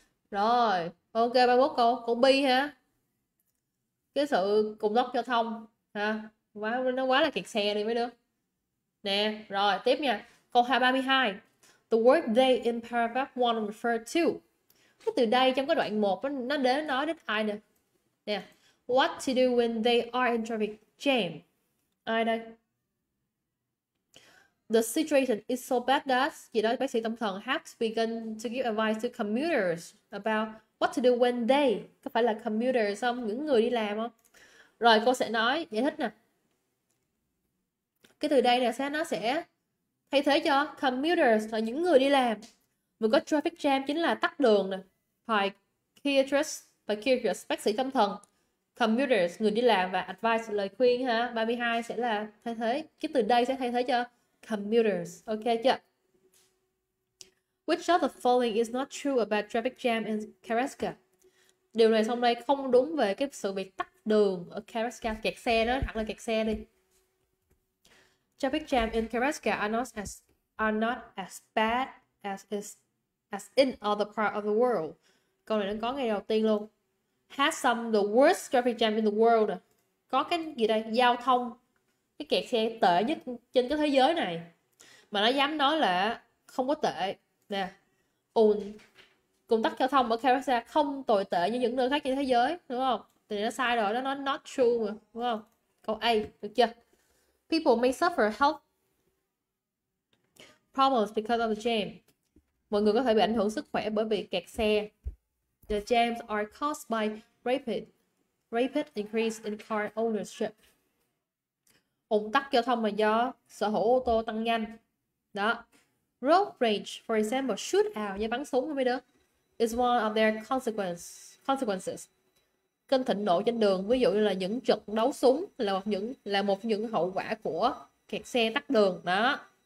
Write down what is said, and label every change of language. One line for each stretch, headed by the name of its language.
Vietnamese: Rồi, ok, 31 câu. Câu B ha. Cái sự cùng tốc giao thông ha. Quá, nó quá là kẹt xe đi mấy đứa. Nè, rồi, tiếp nha. Câu 32.
English: The word they in paragraph 1 refer to.
Vietnamese: Cái từ đây trong cái đoạn 1 nó đến nói đến ai nè. Nè.
English: What to do when they are in traffic jam?
Vietnamese: Ai đây?
English: The situation is so bad that
Vietnamese: gì đó, bác sĩ tâm thần
English: has begun to give advice to commuters about what to do when they.
Vietnamese: Có phải là commuters không? Những người đi làm không? Rồi, cô sẽ nói, giải thích nè. cái từ đây là sẽ nó sẽ thay thế cho commuters là những người đi làm. Mình có traffic jam chính là tắc đường nè, psychiatrist và curious bác sĩ tâm thần, commuters người đi làm và advice lời khuyên ha. 32 sẽ là thay thế, cái từ đây sẽ thay thế cho commuters, ok chưa?
English: Which of the following is not true about traffic jam in Karaska?
Vietnamese: Điều này xong đây không đúng về cái sự việc tắc đường ở Karaska, kẹt xe đó, thẳng là kẹt xe đi.
English: Traffic jam in Karaska are not as bad as in other part of the world.
Vietnamese: Câu này nó có ngay đầu tiên luôn.
English: Has some the worst traffic jam in the world.
Vietnamese: Có cái gì đây? Giao thông. Cái kẹt xe tệ nhất trên cái thế giới này. Mà nó dám nói là không có tệ. Nè. Ùn tắc giao thông ở Karaska không tồi tệ như những nơi khác trên thế giới. Đúng không? Thì nó sai rồi. Nó nói not true mà. Đúng không? Câu A. Được chưa?
English: People may suffer health problems because of the jam.
Vietnamese: Mọi người có thể bị ảnh hưởng sức khỏe bởi vì kẹt xe.
English: The jams are caused by rapid increase in car ownership.
Vietnamese: Ùn tắc giao thông là do sở hữu ô tô tăng nhanh. Đó.
English: Road rage, for example, shoot out
Vietnamese: như bắn súng không biết đó.
English: Is one of their consequences.
Vietnamese: Cơn thịnh nộ trên đường, ví dụ như là những trận đấu súng là một những hậu quả của kẹt xe tắc đường đó.